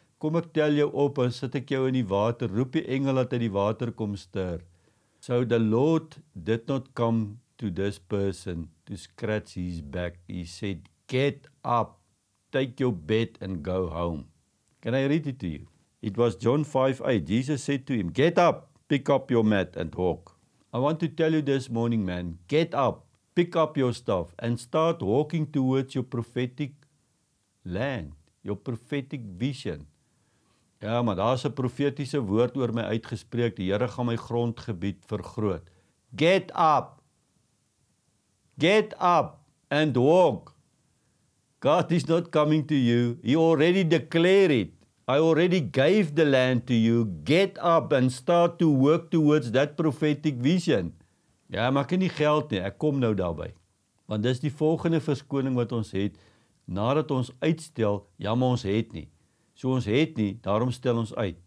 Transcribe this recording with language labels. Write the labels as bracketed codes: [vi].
[af] Kom ek tel jou op en sit ek jou in die water. Roep die engel dat uit die water kom stir. [en] So the Lord did not come to this person to scratch his back. He said, "Get up, take your bed and go home." Can I read it to you? It was John 5:8. Jesus said to him, "Get up, pick up your mat and walk." I want to tell you this morning, man, get up, pick up your stuff and start walking towards your prophetic land, your prophetic vision. [af] Ja, maar daar's 'n profetiese woord oor my uitgespreek. Die Here gaan my grondgebied vergroot. [en] Get up. Get up and walk. God is not coming to you. He already declared it. I already gave the land to you. Get up and start to work towards that prophetic vision. [af] Ja, maar ek het nie geld nie. Ek kom nou daarby. Want dis die volgende verskoning wat ons het. Nadat ons uitstel, ja, maar ons het nie. So ons het nie, daarom stel ons uit.